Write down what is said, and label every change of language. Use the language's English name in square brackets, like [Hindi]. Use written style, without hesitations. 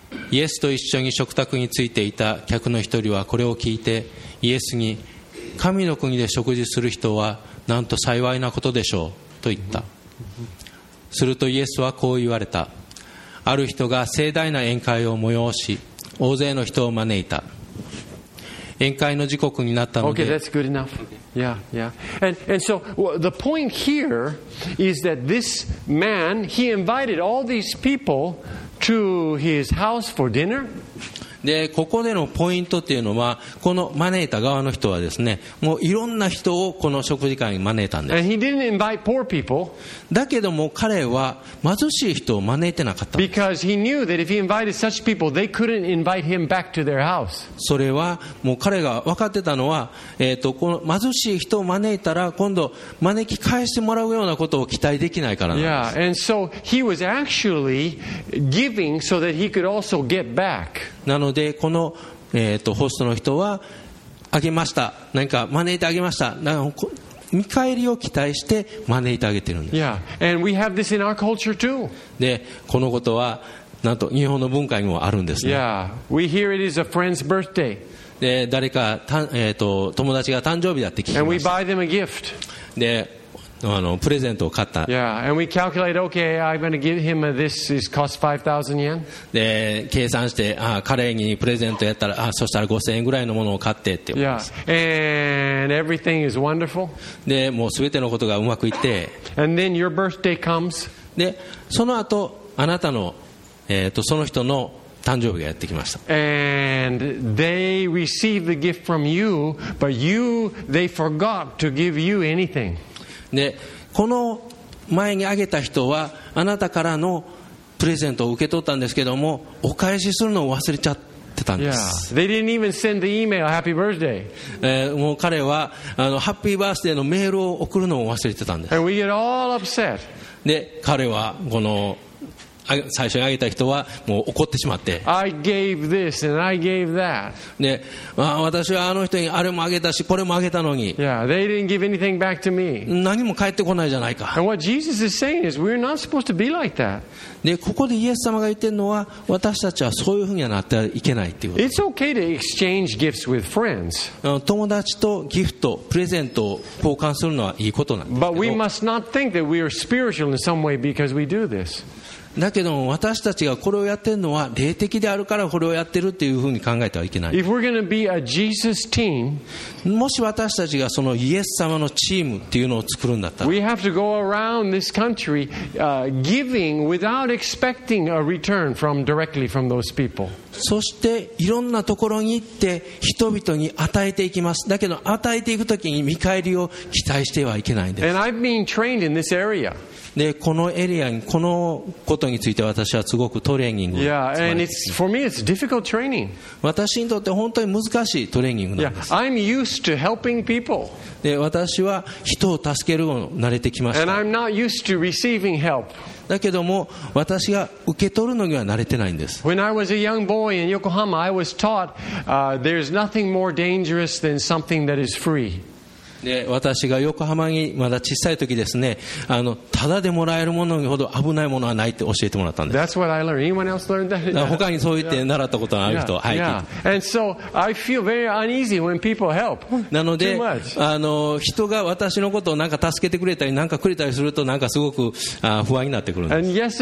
[Japanese] イエスと一緒に食卓についていた客の一人はこれを聞いてイエスに、神の国で食事する人はなんと幸いなことでしょうと言った。するとイエスはこう言われた。ある人が盛大な宴会を催し大勢の人を招いた。宴会の時刻になったので、 [English] Okay, that's good enough. Yeah, yeah. And so the point here is that this man, he invited all these people to his house for dinner. [Japanese] で、ここでのポイントっていうのは、この招いた側の人はですね、もういろんな人をこの食事会に招いたんです。 [English] And he didn't invite poor people. [Japanese] だけども彼は貧しい人を招いてなかったんです。 [English] Because he knew that if he invited such people, they couldn't invite him back to their house. [Japanese] それはもう彼が分かってたのは、この貧しい人を招いたら今度招き返してもらうようなことを期待できないからなんです。 [English] Yeah, and so he was actually giving so that he could also get back. [Japanese] なのでこの、ホストの人はあげました、何か招いてあげました、なんか見返りを期待して招いてあげてるんです。 [English] Yeah. And we have this in our culture too. [Japanese] でこのことはなんと日本の文化にもあるんですね。 [English] Yeah. We hear it is a friend's birthday. [Japanese] で誰か、友達が誕生日だって聞きました。 [English] And we buy them a gift. [Japanese] でプレゼントを買った。 [English] Yeah, and we calculate, okay, I'm going to give him a, this is cost 5,000 yen. [Japanese] で計算して、彼にプレゼントやったら、そしたら5,000円ぐらいのものを買ってって思います。 [English] Yeah, and everything is wonderful. [Japanese] でもう全てのことがうまくいって。 [English] And then your birthday comes. [Japanese] でその後あなたの、その人の誕生日がやってきました。 [English] And they receive the gift from you, but you, they forgot to give you anything. [Japanese] でこの前にあげた人はあなたからのプレゼントを受け取ったんですけども、お返しするのを忘れちゃってたんです。 [English] Yeah. They didn't even send the email, happy birthday. [Japanese] もう彼はハッピーバースデーのメールを送るのを忘れてたんです。 [English] And we get all upset. [Japanese] で彼はこの最初にあげた人はもう怒ってしまって、 [English] I gave this and I gave that. [Japanese] で、私はあの人にあれもあげたしこれもあげたのに、 [English] yeah, they didn't give anything back to me. [Japanese] 何も返ってこないじゃないか。 [English] And what Jesus is saying is we're not supposed to be like that. [Japanese] でここでイエス様が言ってるのは、私たちはそういうふうにはなってはいけないっていうこと。 [English] It's okay to exchange gifts with friends. [Japanese] 友達とギフト、プレゼントを交換するのはいいことなんですけど、 [English] But we must not think that we are spiritual in some way because we do this. [Japanese] だけども私たちがこれをやっているのは霊的であるからこれをやっているというふうに考えてはいけない。 [English] If we're going to be a Jesus team, [Japanese] もし私たちがそのイエス様のチームというのを作るんだったら、 [English] We have to go around this country, giving without expecting a return from directly from those people. [Japanese] そしていろんなところに行って人々に与えていきます。だけど与えていくときに見返りを期待してはいけないんです。 [English] And I've been trained in this area. [Japanese] でこのエリアに、このことについて私はすごくトレーニングを積まれています。私にとって本当に難しいトレーニングなんです。 [English] Yeah, I'm used to helping people. [Japanese] で私は人を助けるのに慣れてきました。 [English] And I'm not used to receiving help. [Japanese] だけども私が受け取るのには慣れてないんです。 [English] When I was a young boy in Yokohama, I was taught, there's nothing more dangerous than something that is free. [Japanese] で私が横浜にまだ小さい時ですね、ただでもらえるものにほど危ないものはないって教えてもらったんです。 [English] That's what I learned. Anyone else learned that? [Japanese] 他にそう言って習ったことがある人は、 [English] yeah. [Japanese] はい。 [English] Yeah. And so I feel very uneasy when people help. [Japanese] なので人が私のことをなんか助けてくれたりなんかくれたりするとなんかすごく不安になってくるんです。